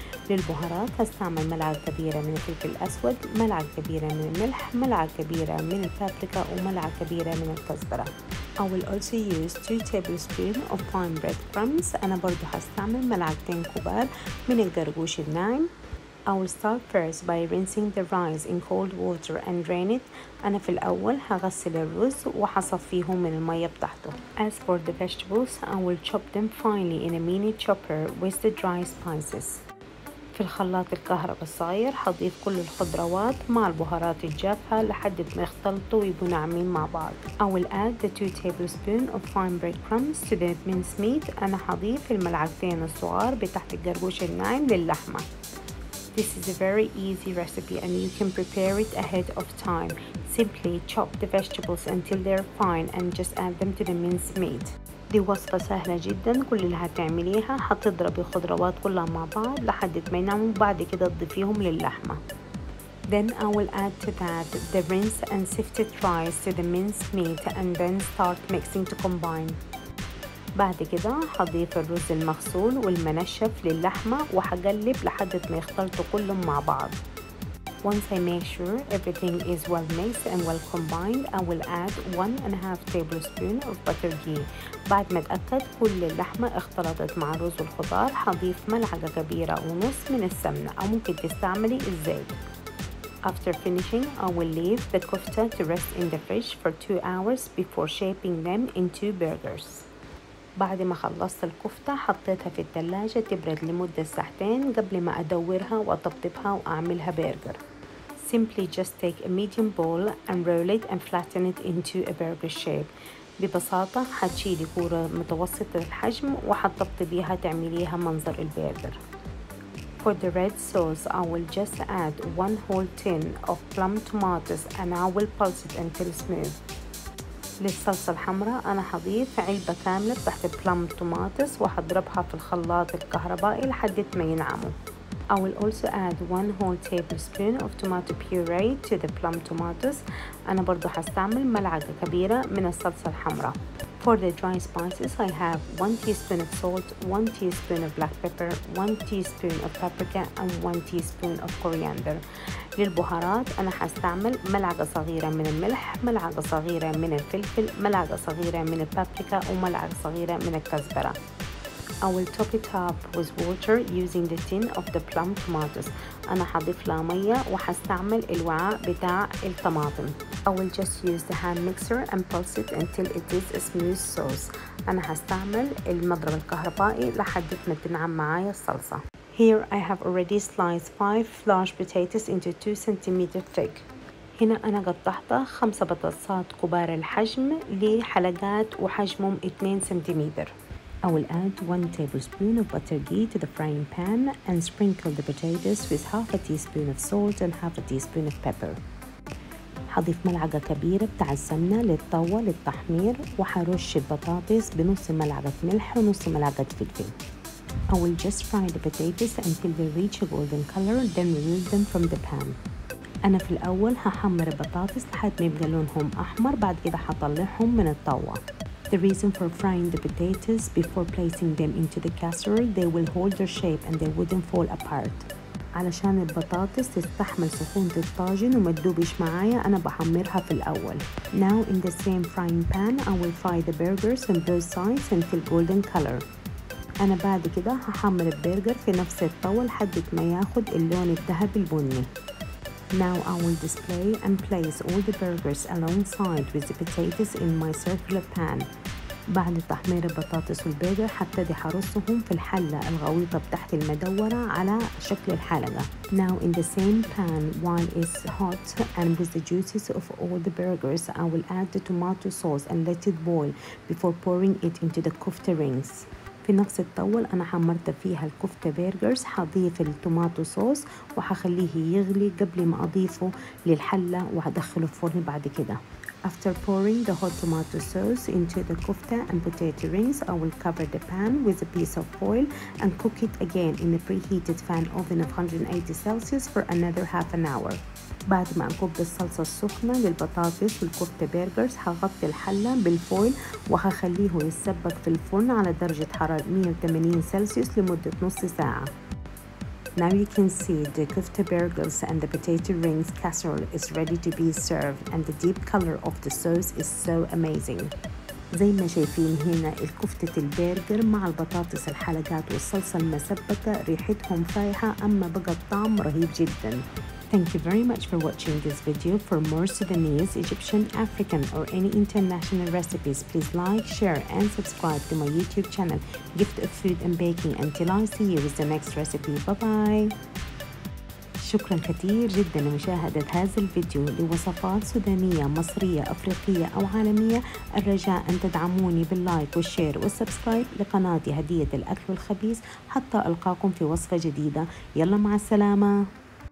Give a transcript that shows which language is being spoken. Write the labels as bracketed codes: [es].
[ar] للبهارات هستعمل ملعقة كبيرة من الفلفل الأسود, ملعقة كبيرة من الملح, ملعقة كبيرة من الفابريكا, وملعقة كبيرة من الكزبرة. [en] I will also use 2 tablespoons of fine breadcrumbs. [ar] أنا برضو هستعمل ملعقتين كبار من القرقوش الناعم. [en] I will start first by rinsing the rice in cold water and drain it. [ar] أنا في الأول هغسل الرز وحصفيه من المية بتاعته. [en] As for the vegetables, I will chop them finely in a mini chopper with the dry spices. [ar] في الخلاط الكهرباء الصغير هضيف كل الخضروات مع البهارات الجافه لحد ما يختلطوا ويبقوا ناعمين مع بعض. [en] I will add the 2 tablespoons of fine breadcrumbs to the minced meat. [ar] انا هضيف الملعقتين الصغار بتاعت القرقوش الناعم للحمه. [en] This is a very easy recipe and you can prepare it ahead of time. Simply chop the vegetables until they're fine and just add them to the minced meat. [ar] دي وصفة سهلة جدا, كل اللي هتعمليها هتضربي الخضروات كلها مع بعض لحد ما يناموا, بعد كده تضيفيهم للحمة. [en] Then I will add to that the rinsed and sifted rice to the minced meat and then start mixing to combine. [ar] بعد كده هضيف الرز المغسول والمنشف للحمة وهقلب لحد ما يختلطوا كلهم مع بعض. [en] Once I make sure everything is well mixed and well combined, I will add 1.5 tablespoons of butter ghee. [ar] بعد ما اتأكد كل اللحمة اختلطت مع الرز والخضار, هضيف ملعقة كبيرة ونص من السمنة, أو ممكن تستعملي الزيت. [en] After finishing, I will leave the kofta to rest in the fridge for 2 hours before shaping them into burgers. [ar] بعد ما خلصت الكفتة حطيتها في الثلاجة تبرد لمدة ساعتين قبل ما أدورها وأطبطبها وأعملها برجر. [en] Simply just take a medium bowl and roll it and flatten it into a burger shape. [ar] ببساطة هتشيلي كورة متوسطة الحجم وحطبطبيها تعمليها منظر البرجر. [en] For the red sauce, I will just add 1 whole tin of plum tomatoes and I will pulse it until smooth. [ar] للصلصة الحمراء أنا هضيف علبة كاملة تحت [en] plum tomatoes [ar] وهضربها في الخلاط الكهربائي لحد ما ينعموا. [en] I will also add 1 whole tablespoon of tomato puree to the plum tomatoes. [ar] أنا برضو هستعمل ملعقة كبيرة من الصلصة الحمراء. [en] For the dry spices, I have 1 teaspoon of salt, 1 teaspoon of black pepper, 1 teaspoon of paprika, and 1 teaspoon of coriander. [ar] للبهارات أنا هستعمل ملعقة صغيرة من الملح, ملعقة صغيرة من الفلفل, ملعقة صغيرة من البابريكا, وملعقة صغيرة من الكزبرة. [en] I will top it up with water using the tin of the plum tomatoes. [ar] أنا هضيف لها مية وهستعمل الوعاء بتاع الطماطم. [en] I will just use the hand mixer and pulse it until it is a smooth sauce. [ar] أنا هستعمل المضرب الكهربائي لحد ما تنعم معايا الصلصة. [en] Here I have already sliced 5 large potatoes into 2 cm thick. [ar] هنا أنا قطعت 5 بطاطسات كبار الحجم لحلقات وحجمهم 2 سنتيمتر. [en] I will add 1 tablespoon of butter ghee to the frying pan and sprinkle the potatoes with half a teaspoon of salt and half a teaspoon of pepper. [ar] هضيف ملعقة كبيرة بتاع السمنة للطوة للتحمير وحرش البطاطس بنص ملعقة ملح ونص ملعقة فلفل. [en] I will just fry the potatoes until they reach a golden color, then remove them from the pan. [ar] أنا في الأول هحمر البطاطس لحد ما يبقى لونهم أحمر, بعد كده هطلعهم من الطوة. [en] The reason for frying the potatoes before placing them into the casserole, they will hold their shape and they wouldn't fall apart. [ar] علشان البطاطس تستحمل سخونة الطاجن وما تدوبش معايا أنا بحمرها في الأول. [en] Now in the same frying pan I will fry the burgers on both sides until golden color. [ar] أنا بعد كده هحمر البرجر في نفس الطاولة لحد ما ياخد اللون الذهبي البني. [en] Now I will display and place all the burgers alongside with the potatoes in my circular pan. [ar] بعد تحمير البطاطس والبرجر هبتدي حرصهم في الحلة الغويطة بتحت المدورة على شكل الحلقة. [en] Now in the same pan while it's hot and with the juices of all the burgers I will add the tomato sauce and let it boil before pouring it into the kofta rings. [ar] في نفس الطاولة أنا حمرت فيها الكفتة برجرز هضيف [en] التوماتو صوص [ar] وحخليه يغلي قبل ما أضيفه للحلة وهدخله الفرن بعد كده. [en] After pouring the hot tomato sauce into the kofta and potato rings, I will cover the pan with a piece of foil and cook it again in a preheated fan oven of 180 Celsius for another half an hour. [ar] بعد ما أكب الصلصة السخنة للبطاطس والكفتة برجرز هغطي الحلة بالفويل وهخليه يتسبك في الفرن على درجة حرارة 180 سلسيوس لمدة نص ساعة. [en] Now you can see the kofta burgers and the potato rings casserole is ready to be served and the deep color of the sauce is so amazing. [ar] زي ما شايفين هنا الكفتة البرجر مع البطاطس الحلقات والصلصة المسبكة ريحتهم فايحة أما بقى الطعم رهيب جدا. [en] Thank you very much for watching this video. For more Sudanese, Egyptian, African, or any international recipes, please like, share, and subscribe to my YouTube channel, Gift of Food and Baking. Until I see you with the next recipe. Bye-bye. [ar] شكرا كثير جدا لمشاهدة هذا الفيديو. لوصفات سودانية مصرية أفريقية أو عالمية الرجاء أن تدعموني باللايك والشير والسبسكرايب لقناتي هدية الأكل والخبيز حتى ألقاكم في وصفة جديدة. يلا مع السلامة.